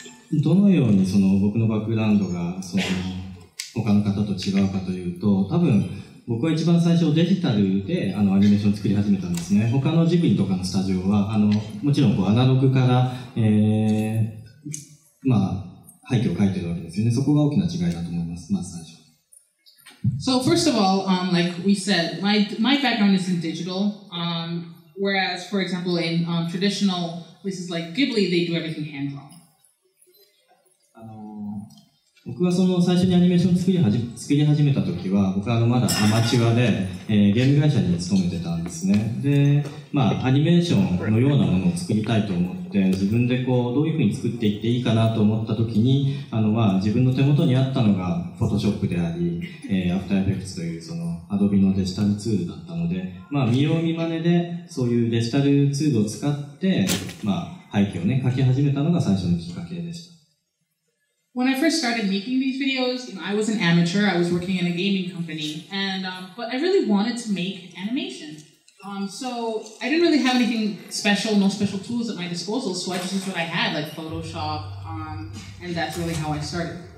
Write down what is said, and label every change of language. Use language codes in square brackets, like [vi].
[ja] どのようにその僕のバックグラウンドがその他の方と違うかというと、多分僕は一番最初デジタルでアニメーションを作り始めたんですね。他のジブリとかのスタジオはもちろんこうアナログから、背景を描いてるわけですよね。そこが大きな違いだと思います。まず最初。 [en] So first of all, like we said, my background is in digital, whereas, for example, in traditional places like Ghibli, they do everything hand-drawn. [ja] 僕がその最初にアニメーションを作り始めた時は、僕はまだアマチュアで、ゲーム会社に勤めてたんですね。で、まあ、アニメーションのようなものを作りたいと思って、自分でこう、どういうふうに作っていっていいかなと思った時に、自分の手元にあったのが、Photoshop であり、After Effects というその、Adobe のデジタルツールだったので、まあ、見よう見真似で、そういうデジタルツールを使って、まあ、背景をね、描き始めたのが最初のきっかけでした。 [en] When I first started making these videos, I was an amateur, I was working in a gaming company, and, but I really wanted to make animation. So I didn't really have anything special, no special tools at my disposal, so I just used what I had, like Photoshop, and that's really how I started.